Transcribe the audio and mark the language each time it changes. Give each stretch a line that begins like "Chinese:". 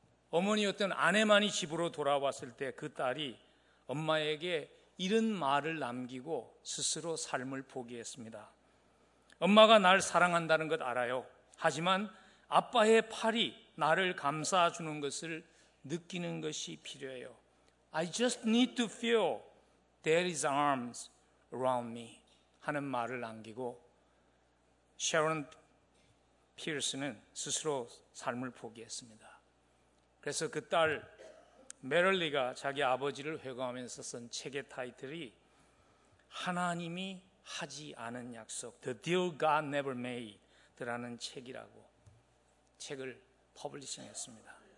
Korean: 어머니였던 아내만이 집으로 돌아왔을 때 그 딸이 엄마에게 이런 말을 남기고 스스로 삶을 포기했습니다. 엄마가 날 사랑한다는 것 알아요. 하지만 아빠의 팔이 나를 감싸주는 것을 느끼는 것이 필요해요.
English: I just need to feel daddy's arms around me
Korean: 하는 말을 남기고 샤론 피어스는 스스로 삶을 포기했습니다. 그래서 그 딸 메럴리가 자기 아버지를 회고하면서 쓴 책의 타이틀이 하나님이 하지 않은 약속 The Deal God Never Made 라는 책이라고 책을 퍼블리싱했습니다.